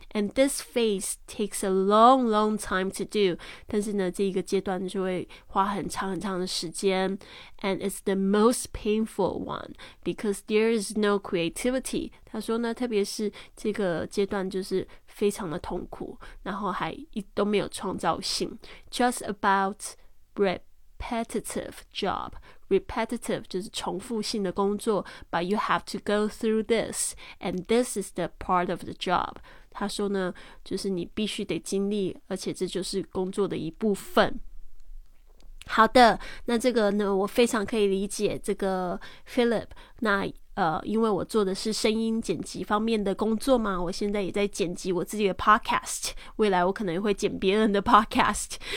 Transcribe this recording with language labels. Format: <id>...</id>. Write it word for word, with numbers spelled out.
<en>And this phase takes a long, long time to do.</en> <zh>但是呢，这一个阶段就会花很长很长的时间。</zh> <en>And it's the most painful one because there is no creativity.</en> <zh>他说呢，特别是这个阶段就是非常的痛苦，然后还一都没有创造性。</zh> <en>Just about repetitive job. Repetitive</en> <zh>就是重复性的工作。</zh> <en>But you have to go through this. And this is the part of the job.</en> <zh>他说呢，就是你必须得经历，而且这就是工作的一部分。好的，那这个呢，我非常可以理解这个 Philip。那呃，因为我做的是声音剪辑方面的工作嘛，我现在也在剪辑我自己的 podcast， 未来我可能会剪别人的 podcast。</zh>